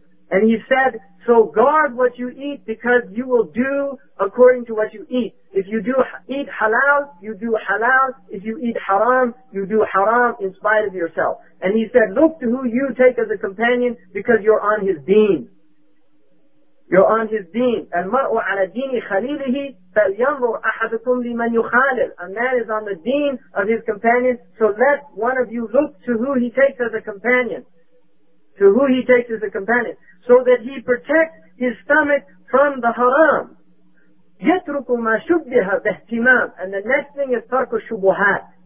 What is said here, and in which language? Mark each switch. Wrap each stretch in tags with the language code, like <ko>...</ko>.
<en>And he said, so guard what you eat, because you will do according to what you eat. If you do eat halal, you do halal. If you eat haram, you do haram in spite of yourself. And he said, look to who you take as a companion, because you're on his deen. You're on his deen.</en> <ar>المرء على دين خليله فلينظر أحدكم لمن يخالل.</ar> <en>A man is on the deen of his companion, so let one of you look to who he takes as a companion. To who he takes as a companion. So that he protects his stomach from the haram.</en> <ar>يترك ما شبه باهتمام.</ar> <en>And the next thing is</en> <ar>ترك الشبهات.</ar>